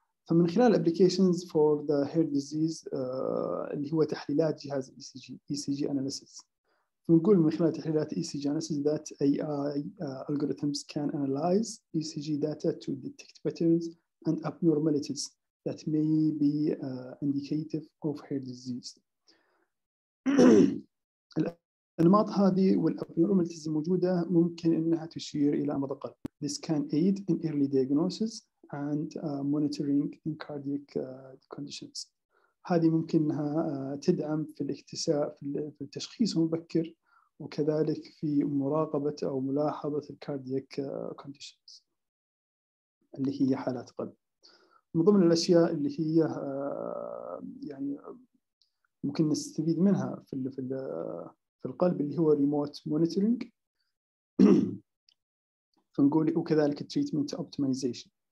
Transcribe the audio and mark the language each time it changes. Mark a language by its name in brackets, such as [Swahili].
[Arabic] فمن خلال [English] applications for the heart disease [Arabic] اللي هو تحليلات جهاز الإي سي جي، [English] E C G analysis، [Arabic] نقول من خلال تحليلات [English] ECG analysis that AI algorithms can analyze ECG data to detect patterns and abnormalities that may be indicative of heart disease. [Arabic] الأنماط هذه والabnormalities الموجودة ممكن أنها تشير إلى أمراض القلب. [English] This can aid in early diagnosis and monitoring in cardiac conditions. [Arabic] هذه ممكن أنها تدعم في الاكتشاف في التشخيص المبكر، وكذلك في مراقبة أو ملاحظة الكاردييك conditions اللي هي حالات قلب. من ضمن الأشياء اللي هي يعني ممكن نستفيد منها في الـ في الـ في القلب اللي هو [English] remote monitoring، [Arabic] فنقول وكذلك [English] treatment optimization.